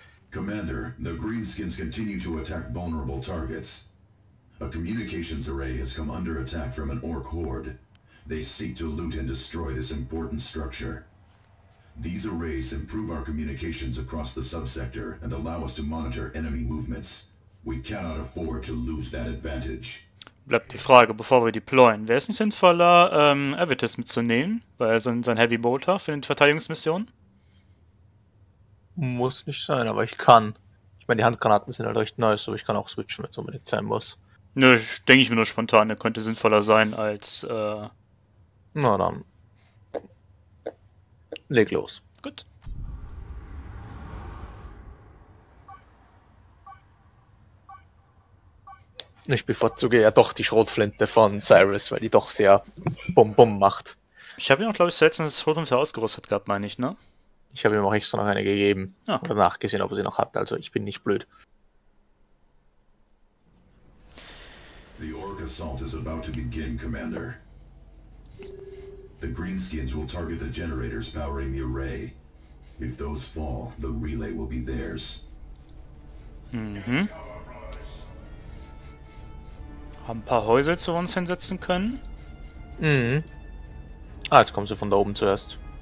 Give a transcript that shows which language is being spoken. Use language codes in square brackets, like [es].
[en] Commander, the Greenskins continue to attack vulnerable targets. A communications array has come under attack from an orc horde. They seek to loot and destroy this important structure. These arrays improve our communications across the subsector and allow us to monitor enemy movements. We cannot afford to lose that advantage. [de] Bleibt die Frage, bevor wir deployen, wäre es nicht sinnvoller, Avitus mitzunehmen, weil er sein Heavy Bolter für eine Verteidigungsmission? Muss nicht sein, aber ich kann. Ich meine, die Handgranaten sind halt recht nice, aber ich kann auch switchen, wenn es unbedingt sein muss. Nö, denke ich mir nur spontan, er könnte sinnvoller sein als, Na dann. Leg los. Gut. Ich bevorzuge ja doch die Schrotflinte von Cyrus, weil die doch sehr Bum-Bum macht. Ich habe ihm auch, glaube ich, selbst das Rotum sehr ausgerüstet gehabt, meine ich, ne? Ich habe ihm auch extra noch eine gegeben. Ja. Oder nachgesehen, ob er sie noch hat, also ich bin nicht blöd. [en] The Orc Assault is about to begin, Commander. The Greenskins will target the generators powering the array. If those fall, the relay will be theirs. Mhm. [de] Haben ein paar Häuser zu uns hinsetzen können. Mhm. Ah, jetzt kommen sie von da oben zuerst.